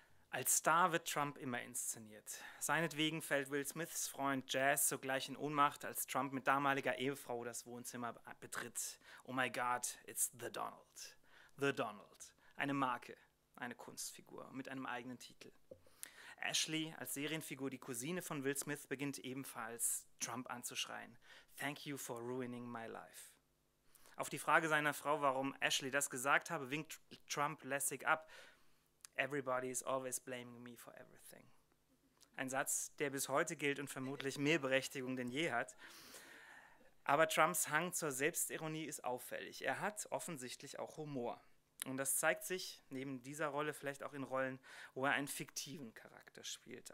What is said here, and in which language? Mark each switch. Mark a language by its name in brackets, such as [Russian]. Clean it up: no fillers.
[German] Als Star wird Trump immer inszeniert. Seinetwegen fällt Will Smiths Freund Jazz sogleich in Ohnmacht, als Trump mit damaliger Ehefrau das Wohnzimmer betritt. [English] Oh my God, it's the Donald. The Donald. [German] Eine Marke, eine Kunstfigur mit einem eigenen Titel. Ashley, als Serienfigur, die Cousine von Will Smith, beginnt ebenfalls Trump anzuschreien. [English] Thank you for ruining my life. [German] Auf die Frage seiner Frau, warum Ashley das gesagt habe, winkt Trump lässig ab. [English] Everybody is always blaming me for everything. [German] Ein Satz, der bis heute gilt und vermutlich mehr Berechtigung denn je hat. Aber Trumps Hang zur Selbstironie ist auffällig. Er hat offensichtlich auch Humor. Und das zeigt sich neben dieser Rolle vielleicht auch in Rollen, wo er einen fiktiven Charakter spielt.